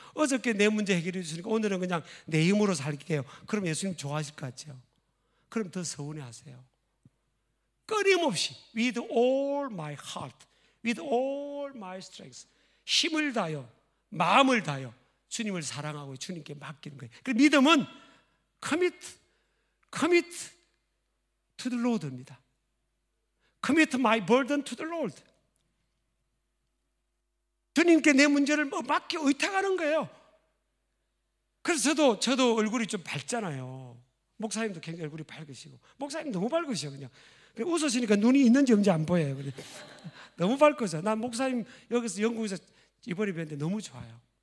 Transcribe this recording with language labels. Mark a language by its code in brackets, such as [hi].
[ko] 어저께 내 문제 해결해 주시니까 오늘은 그냥 내 힘으로 살게요. 그럼 예수님 좋아하실 것 같죠? 그럼 더 서운해 하세요. 끊임없이 [en] with all my heart, with all my strength, [ko] 힘을 다하여, 마음을 다하여 주님을 사랑하고 주님께 맡기는 거예요. 그 믿음은 [en] commit, commit to the Lord [ko] 입니다. [en] Commit my burden to the Lord. [ko] 주님께 내 문제를 맡겨 의탁하는 거예요. 그래서 저도 얼굴이 좀 밝잖아요. 목사님도 굉장히 얼굴이 밝으시고, 목사님 너무 밝으셔. 그냥 웃으시니까 눈이 있는지 없는지 안 보여요. 그냥. 너무 밝으셔. 난 목사님 여기서 영국에서 이번에 뵀는데 너무 좋아요.